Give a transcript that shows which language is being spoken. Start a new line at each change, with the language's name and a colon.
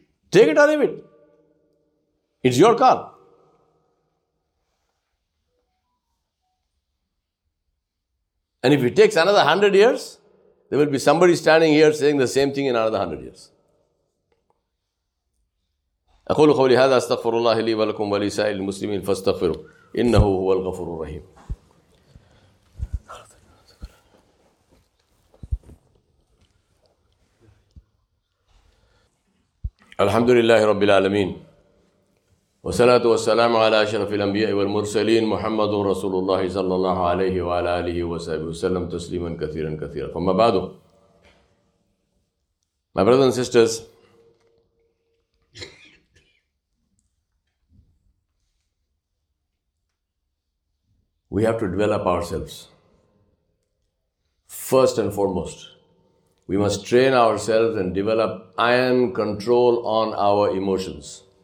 English: Take it or leave it. It's your call. And if it takes another 100 years, there will be somebody standing here saying the same thing in another 100 years.
Arabic: أقول قولي هذا استغفر الله لي ولكم ولسائر المسلمين فاستغفروا إنه هو الغفور الرحيم. الحمد لله رب العالمين والصلاة والسلام على أشرف الأنبياء والمرسلين محمد رسول الله صلى الله عليه وعلى آله وصحبه وسلم تسليما كثيرا كثيرا. فما بعد.
English: My brothers and sisters, we have to develop ourselves. First and foremost, we must train ourselves and develop iron control on our emotions.